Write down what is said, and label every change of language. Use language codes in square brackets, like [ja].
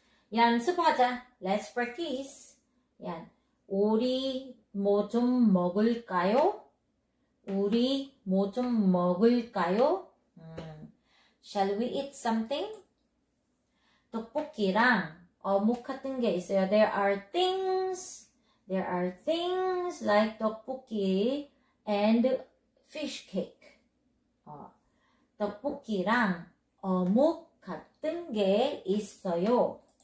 [ko] 연습하자. [en] Let's practice. 얀. [ko] 우리 뭐 좀 먹을까요? 우리 뭐 좀 먹을까요? [en] Shall we eat something? [ko] 떡볶이랑 어묵 같은 게 있어요. [en] There are things like 떡볶이 and fish cake. [ko] 떡볶이랑 어묵 같은 게 있어요.